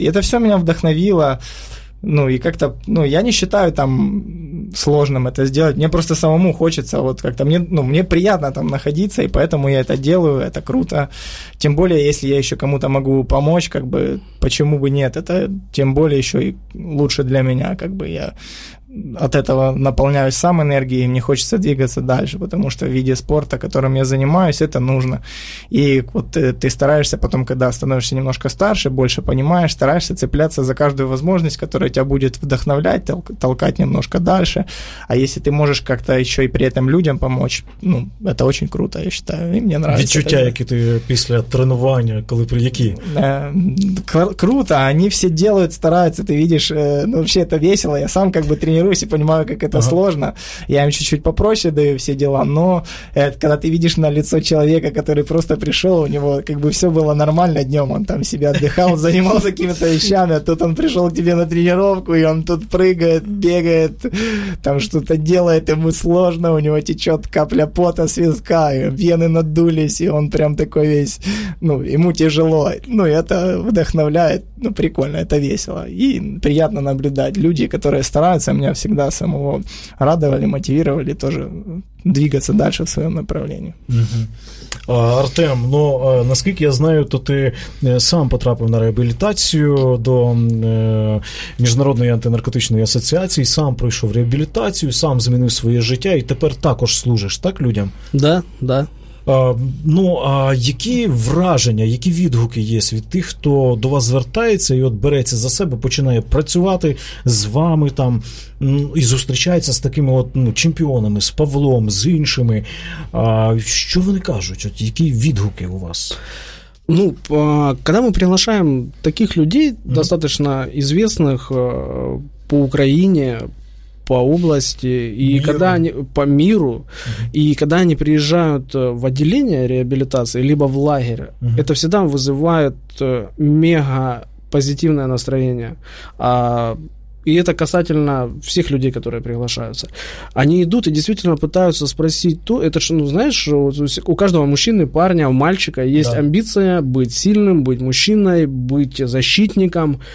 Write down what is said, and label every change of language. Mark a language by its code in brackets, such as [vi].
[ru] И это все меня вдохновило. Ну, и как-то, ну, я не считаю там сложным это сделать, мне просто самому хочется вот как-то, мне, ну, мне приятно там находиться, и поэтому я это делаю, это круто, тем более, если я еще кому-то могу помочь, как бы, почему бы нет, это тем более еще и лучше для меня, как бы, я от этого наполняюсь сам энергией, мне хочется двигаться дальше, потому что в виде спорта, которым я занимаюсь, это нужно. И вот ты стараешься потом, когда становишься немножко старше, больше понимаешь, стараешься цепляться за каждую возможность, которая тебя будет вдохновлять, толкать немножко дальше. А если ты можешь как-то еще и при этом людям помочь, ну, это очень круто, я считаю, и мне нравится. [uk] Відчуття, які ти після тренування, коли при які? [ru] Круто, они все делают, стараются, ты видишь, ну, вообще это весело, я сам как бы тренируюсь и понимаю, как это сложно. Я им чуть-чуть попроще даю все дела, но когда ты видишь на лицо человека, который просто пришел, у него как бы все было нормально днем, он там себя отдыхал, занимался какими-то вещами, а тут он пришел к тебе на тренировку, и он тут прыгает, бегает, там что-то делает, ему сложно, у него течет капля пота с виска, вены надулись, и он прям такой весь, ну, ему тяжело. Ну, это вдохновляет, ну, прикольно, это весело. И приятно наблюдать. Люди, которые стараются, меня всегда самого радовали, мотивировали тоже двигаться дальше в своем направлении. [uk] Артем, ну, наскільки я знаю, то ти сам потрапив на реабілітацію до Міжнародної антинаркотичної асоціації, сам пройшов реабілітацію, сам змінив своє життя і тепер також служиш, так, людям? [ru] Да, да. [uk] Ну, а які враження, які відгуки є від тих, хто до вас звертається і от береться за себе, починає працювати з вами там і зустрічається з такими от, ну, чемпіонами, з Павлом, з іншими? Що вони кажуть? От які відгуки у вас? Ну, коли ми приглашаємо таких людей, достатньо звісних по Україні, по области, и миру. [ru] Когда они по миру, и когда они приезжают в отделение реабилитации, либо в лагерь, это всегда вызывает мега позитивное настроение. И это касательно всех людей, которые приглашаются. Они идут и действительно пытаются спросить то, это же, ну, знаешь, у каждого мужчины, парня, у мальчика есть амбиция быть сильным, быть мужчиной, быть защитником.